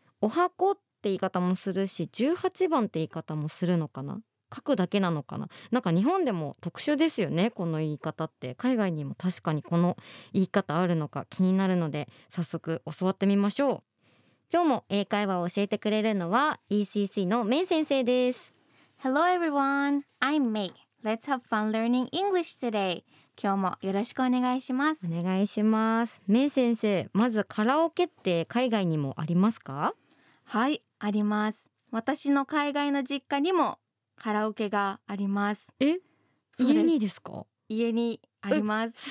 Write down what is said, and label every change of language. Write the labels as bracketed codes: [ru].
[ja] お箱って言い方もするし、18番って言い方もするのかな、書くだけなのかな。なんか日本でも特殊ですよね、この言い方って。海外にも確かにこの言い方あるのか気になるので、早速教わってみましょう。今日も英会話を教えてくれるのは ECC のメイ先生です。 [en] Hello everyone, I'm May. Let's have fun learning English today. [ja] 今日もよろしくお願いします。お願いします。メイ先生、まずカラオケって海外にもありますか？はい、あります。私の海外の実家にもカラオケがあります。え、家にですか？家にあります。